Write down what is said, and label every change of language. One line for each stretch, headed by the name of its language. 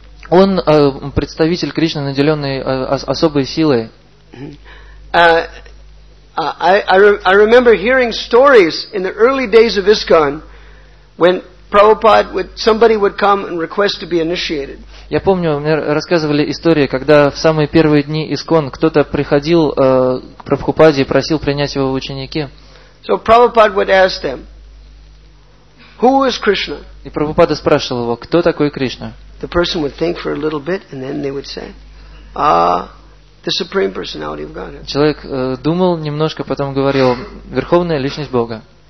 Russian: Он представитель Кришны, наделенный особой силой.
English: I remember hearing stories in the early days of ISKCON when Prabhupada would, somebody would come and request to be initiated.
Russian: Я помню, мне рассказывали истории, когда в самые первые дни ISKCON кто-то приходил к Прабхупаде и просил принять его в ученики.
English: So Prabhupada would ask them, who is Krishna?
Russian: И Прабхупада спрашивал его, кто такой Кришна?
English: The person would think for a little bit and then they would say, the Supreme Personality of Godhead.
Russian: Человек думал немножко, потом говорил, Верховная Личность Бога.